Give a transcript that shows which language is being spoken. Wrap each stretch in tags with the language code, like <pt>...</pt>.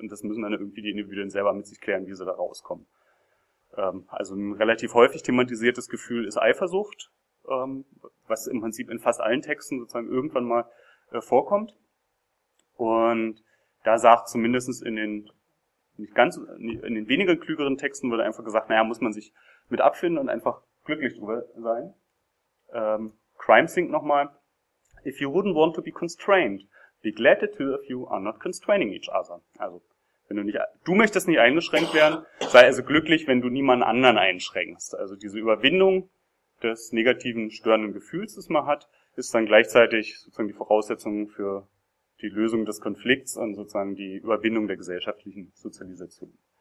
<de>Und das müssen dann irgendwie die Individuen selber mit sich klären, wie sie da rauskommen. Also ein relativ häufig thematisiertes Gefühl ist Eifersucht, was im Prinzip in fast allen Texten sozusagen irgendwann mal vorkommt. Und da sagt zumindest in den weniger klügeren Texten wurde einfach gesagt, naja, muss man sich mit abfinden und einfach glücklich drüber sein. Crimethink nochmal.</de> <en>If you wouldn't want to be constrained, be glad the two of you are not constraining each other.</en> <de>Also, wenn du möchtest nicht eingeschränkt werden, sei also glücklich, wenn du niemanden anderen einschränkst. Also diese Überwindung des negativen, störenden Gefühls, das man hat, ist dann gleichzeitig sozusagen die Voraussetzung für die Lösung des Konflikts und sozusagen die Überwindung der gesellschaftlichen Sozialisation.</de>